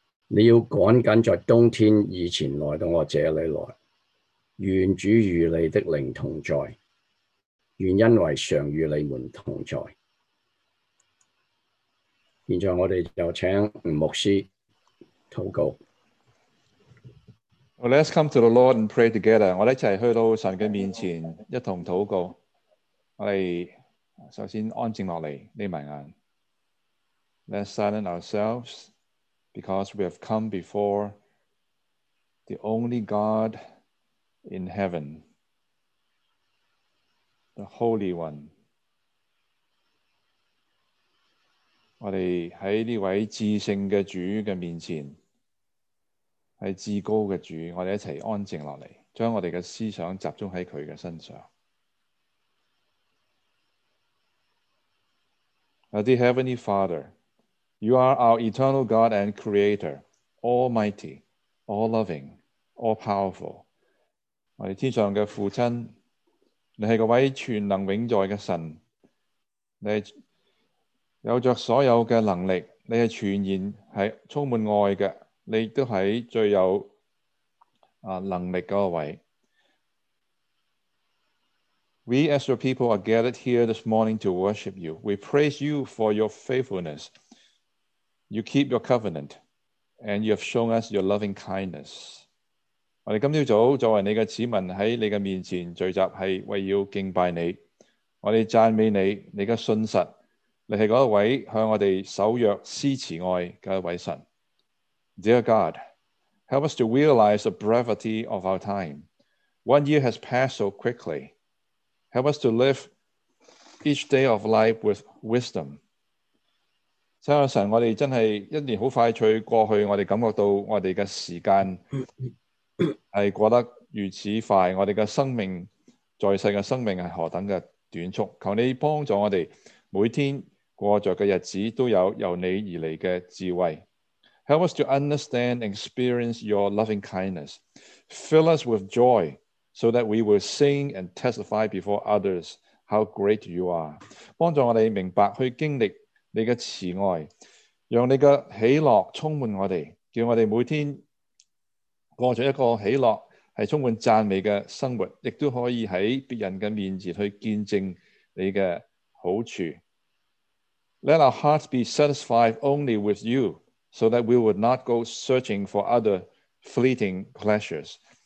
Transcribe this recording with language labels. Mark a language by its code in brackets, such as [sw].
[zh] 你要赶紧在冬天以前来到我这里来，愿主与你的灵同在，愿因为常与你们同在。现在我们就请吴牧师祷告。 [en] Well, let's come to the Lord and pray together. [zh] 我们一起去到神的面前一同祷告。我们首先安静下来，闭上眼。 [en] Let's silent ourselves because we have come before the only God in heaven, the Holy One. [zh] 我们在这位至圣的主的面前，是至高的主，我们一起安静下来，将我们的思想集中在祂的身上。 [en] Now, dear Heavenly Father, you are our eternal God and Creator, Almighty, All-Loving, All-Powerful. [zh] 我们天上的父亲，你是那位全能永在的神，你是有着所有的能力，你是全然是充满爱的，你都是最有能力的位置。 [en] We as your people are gathered here this morning to worship you. We praise you for your faithfulness. You keep your covenant, and you have shown us your loving kindness. [zh] 我们今天早作为你的子民在你的面前聚集，是为要敬拜你。我们赞美你，你的信实，你是那位向我们守约施慈爱的一位神。 [en] Dear God, help us to realize the brevity of our time. 1 year has passed so quickly. Help us to live each day of life with wisdom. [zh] 亲爱的神，我们真是一年很快脆过去，我们感觉到我们的时间是过得如此快，我们的生命，在世的生命是何等的短促。求你帮助我们每天过着的日子都有由你而来的智慧。 [en] Help us to understand and experience your loving kindness. Fill us with joy so that we will sing and testify before others how great you are. [zh] 帮助我们明白去经历你的慈爱，让你的喜乐充满我们，叫我们每天过着一个喜乐是充满赞美的生活，亦都可以在别人的面前去见证你的好处。 [en] Let our hearts be satisfied only with you. So that we would not go searching for other fleeting pleasures.